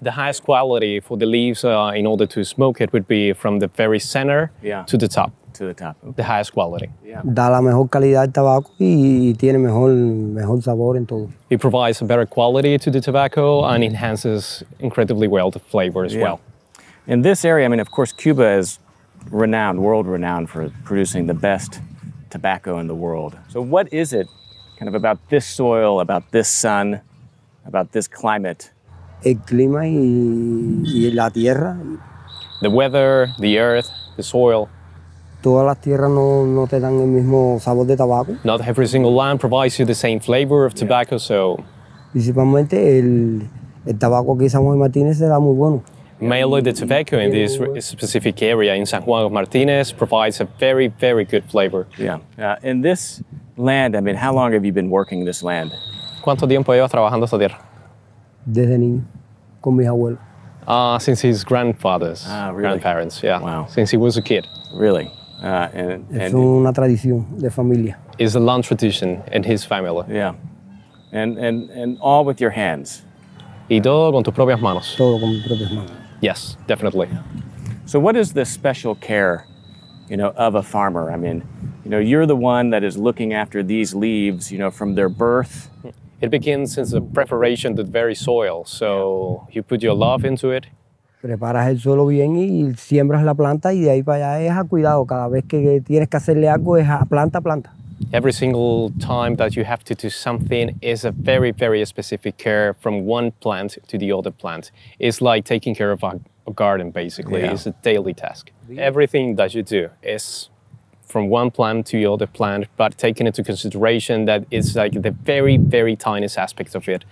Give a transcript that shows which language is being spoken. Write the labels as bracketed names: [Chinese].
[English] The highest quality for the leaves in order to smoke it would be from the very center yeah. to the top. To the top. Okay. The highest quality. Yeah. [Spanish] Da la mejor calidad al tabaco y tiene mejor sabor en todo. [English] It provides a better quality to the tobacco and enhances incredibly well the flavor as yeah. well. In this area, I mean, of course, Cuba is renowned, world renowned for producing the best tobacco in the world. So what is it kind of about this soil, about this sun, about this climate? [Spanish] El clima y la tierra. [English] The weather, the earth, the soil. [Spanish] Todas las tierras no te dan el mismo sabor de tabaco. [English] Not every single land provides you the same flavor of tobacco, yeah. so... [Spanish] Principalmente el tabaco aquí en San Juan Martinez será muy bueno. [English] Mainly the tobacco in this specific area in San Juan Martinez provides a very, very good flavor. Yeah. In this land, I mean, how long have you been working this land? [Spanish] ¿Cuánto tiempo llevas trabajando esta tierra? Desde niño, con mis abuelos. [English] Since his grandfather's really? Grandparents, yeah. Wow. Since he was a kid. Really? [Spanish] Es una tradición de familia. [English] It's a long tradition in his family. Yeah. And all with your hands. [Spanish] Y todo con tus propias manos. Todo con mis propias manos. [English] Yes, definitely. So what is the special care, you know, of a farmer? I mean, you know, you're the one that is looking after these leaves, you know, from their birth. It begins since the preparation of the very soil. So yeah. you put your love into it. [Spanish] Preparas el suelo bien y siembras la planta y de ahí para allá es a cuidado. Cada vez que tienes que hacerle algo es a planta a planta. [English] Every single time that you have to do something is a very, very specific care from one plant to the other plant. It's like taking care of a garden, basically. Yeah. It's a daily task. Everything that you do is from one plant to the other plant, but taking into consideration that it's like the very, very tiniest aspect of it.